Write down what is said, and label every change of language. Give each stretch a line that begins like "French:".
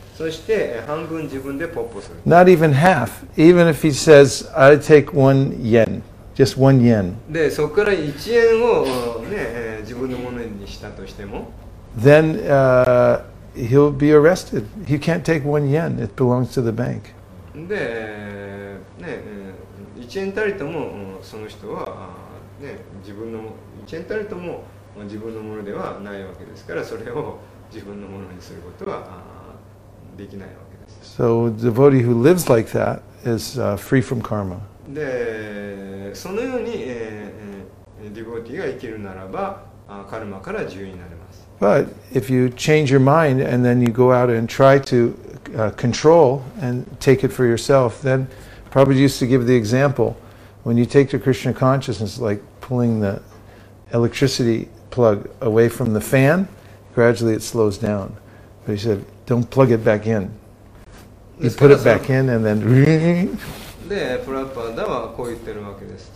Japanese: そして半分自分でポッポする。
English: Not even half. Even if he says, I take 1 yen. Just 1 yen.
Japanese: で、そこから1円を、ね、自分のものにしたとしても。
English: Then he'll be arrested. He can't take 1 yen. It belongs to the bank.
Japanese: で、ね、1円たりともその人は、ね、自分の、1円たりとも自分のものではないわけですから、それを自分のものにすることは、できないわけです。
English: So devotee who lives like that is free from karma.
Japanese: で、そのように、devotee が生きるならば、カルマから自由になります。
English: But if you change your mind and then you go out and try to control and take it for yourself, then Prabhupada used to give the example when you take to Krishna consciousness, like pulling the electricity plug away from the fan, gradually it slows down. But he said. Don't plug it back in. You put it back in and then...
Japanese: で、プラッパーダはこう言ってるわけです。